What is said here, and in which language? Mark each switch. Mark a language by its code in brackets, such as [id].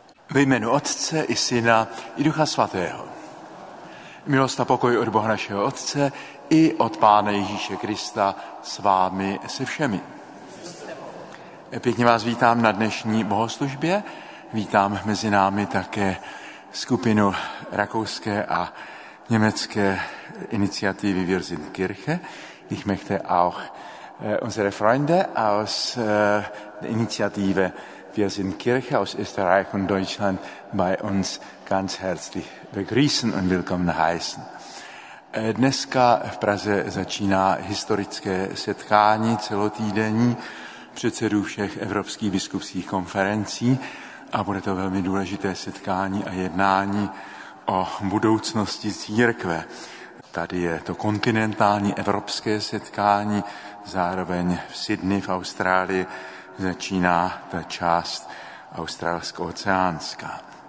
[cs] Ve jménu Otce i Syna i Ducha Svatého. Milost a pokoj od Boha našeho Otce i od Pána Ježíše Krista s vámi, se všemi. Pěkně vás vítám na dnešní bohoslužbě. Vítám mezi námi také skupinu rakouské a německé iniciativy Wir sind Kirche. [de] Ich möchte auch unsere Freunde aus der Initiative Wir sind Kirche aus Österreich und Deutschland bei uns ganz herzlich begrüßen und willkommen heißen. [cs] Dneska v Praze začíná historické setkání celotýdenní předsedů všech evropských biskupských konferencí a bude to velmi důležité setkání a jednání o budoucnosti církve. Tady je to kontinentální evropské setkání, zároveň v Sydney v Austrálii začíná ta část australsko-oceánská.